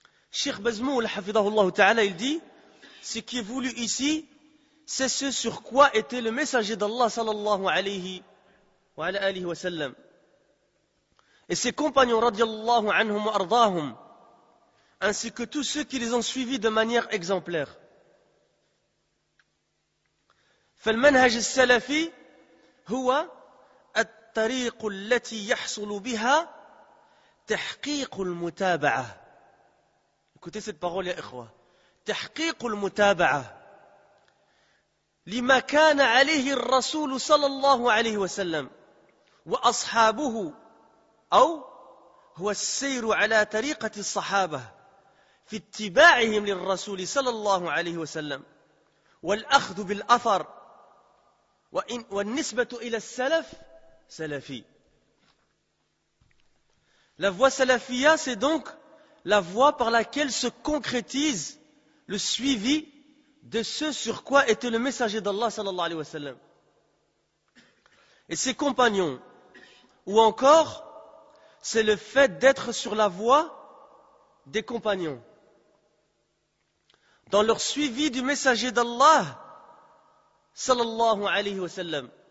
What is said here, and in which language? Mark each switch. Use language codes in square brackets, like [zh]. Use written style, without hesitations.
[fr] Cheikh Bazmoul hafidhahullah ta'ala il dit ce qui est voulu ici c'est ce sur quoi était le messager d'Allah sallallahu alayhi wa ala alihi wa sallam et ses compagnons [ar] radiyallahu anhum wa ardahum [fr] ainsi que tous ceux qui les ont suivis de manière exemplaire. [ar] فالمنهج السلفي هو الطريق التي يحصل بها تحقيق المتابعة. [fr] Écoutez cette parole, [ar] ya ikhwa. تحقيق المتابعة لما كان عليه الرسول صلى الله عليه وسلم وأصحابه أو هو السير على طريقة الصحابة في اتباعهم للرسول صلى الله عليه وسلم والأخذ بالأثر والنسبة إلى السلف سلفي. [fr] La voie salafia, c'est donc la voie par laquelle se concrétise le suivi de ce sur quoi était le messager d'Allah sallallahu alayhi wa sallam et ses compagnons. Ou encore, c'est le fait d'être sur la voie des compagnons dans leur suivi du messager d'Allah sallallahu alayhi wa sallam.